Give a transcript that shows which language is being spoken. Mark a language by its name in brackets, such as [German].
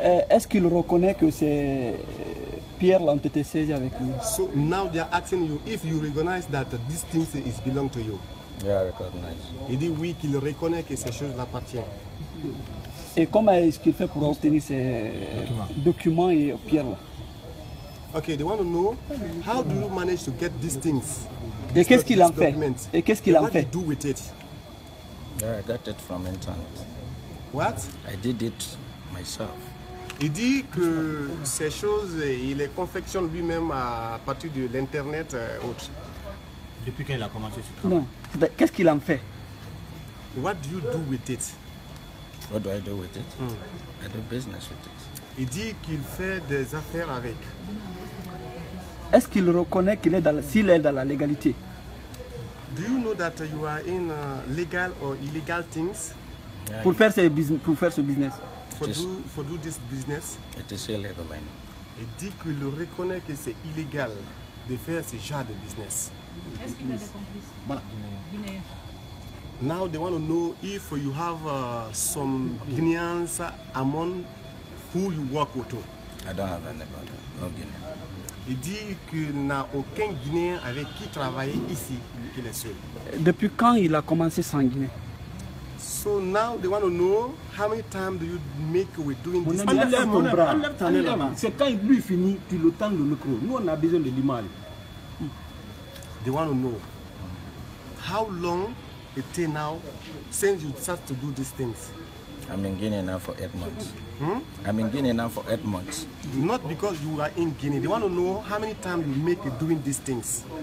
[French] Est-ce qu'il reconnaît que c'est Pierre l'ont été saisi avec lui? [English] So now they are asking you if you recognize that this thing is belong to you. Yeah, I recognize. [French] Il dit oui qu'il reconnaît que ces choses l'appartiennent. Et comment est-ce qu'il fait pour obtenir ces documents et Pierre là? [English] Okay, they want to know how do you manage to get these things? [French] Et qu'est-ce qu'il en fait? Et qu'est-ce qu'il en fait? [English] What do you do with it? Yeah, I got it from internet. What? I did it myself. [French] Il dit que ces choses, il les confectionne lui-même à partir de l'internet autre. Depuis quand il a commencé ce travail? Non. Qu'est-ce qu'il en fait? [English] What do you do with it? What do I do with it? I do business with it. [French] Il dit qu'il fait des affaires avec. Est-ce qu'il reconnaît qu'il est dans la, s'il est dans la légalité? [English] Do you know that you are in legal or illegal things? [French] Yeah, pour faire ce business, pour faire ce business. [English] For do this business. It is illegal, man. [French] Il dit qu'il reconnaît que c'est illégal de faire ce genre de business. Est-ce qu'il a des complices? Voilà. Guinéen. [English] Now they want to know if you have some Guineans among who you work with. I don't have anybody, no Guinean. [French] Il dit qu'il n'a aucun Guinéen avec qui travailler ici, qu'il est seul. Depuis quand il a commencé sans Guinée? [English] So now they want to know how many times do you make with doing mon this? [French] Enlève ton mon bras, enlève ton mon bras. C'est quand lui finit, tu le tends le micro. Nous on a besoin de l'image. [English] They want to know how long it take now since you start to do these things. I'm in Guinea now for 8 months. I'm in Guinea now for 8 months. Not because you are in Guinea. They want to know how many times you make doing these things.